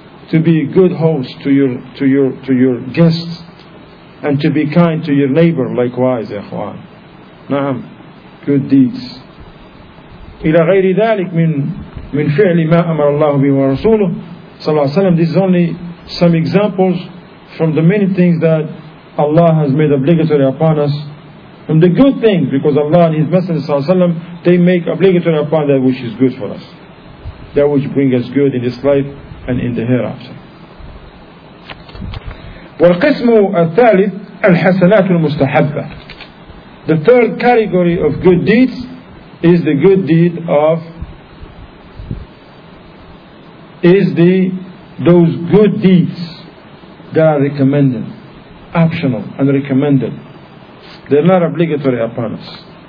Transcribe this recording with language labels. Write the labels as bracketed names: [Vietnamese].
[English] to be a good host to your guests and to be kind to your neighbor likewise ikhwan na'am good deeds [Arabic] ila ghayri dhalik min fi'li ma amara Allah bihi wa rasuluhu [English] sallallahu alayhi wasallam this is only some examples from the many things that Allah has made obligatory upon us from the good things because Allah and his messenger sallallahu alayhi wasallam they make obligatory upon that which is good for us that which brings us good in this life and in the hereafter. [Arabic] والقسم الثالث الحسنات المستحبة. [English] The third category of good deeds is the good deed of is the those good deeds that are recommended, optional and recommended. They're not obligatory upon us.